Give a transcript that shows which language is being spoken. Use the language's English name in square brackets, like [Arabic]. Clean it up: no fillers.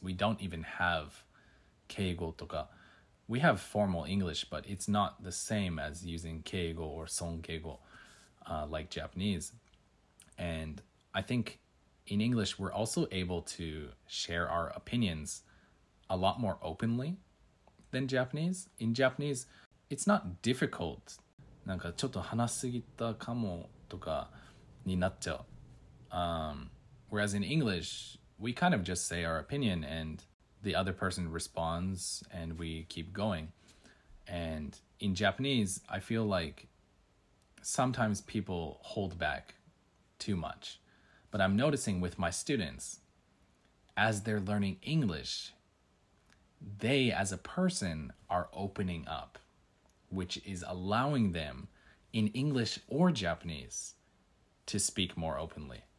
[English] We don't even have keigo [Japanese] toka. [English] We have formal English, but it's not the same as using keigo or songkeigo like Japanese. And I think in English, we're also able to share our opinions a lot more openly than Japanese. In Japanese, it's not difficult. [Japanese] なんかちょっと話しすぎたかもとかになっちゃう。 [English] Whereas in English, we kind of just say our opinion and the other person responds and we keep going. And in Japanese, I feel like sometimes people hold back too much. But I'm noticing with my students, as they're learning English, they as a person are opening up, which is allowing them in English or Japanese to speak more openly.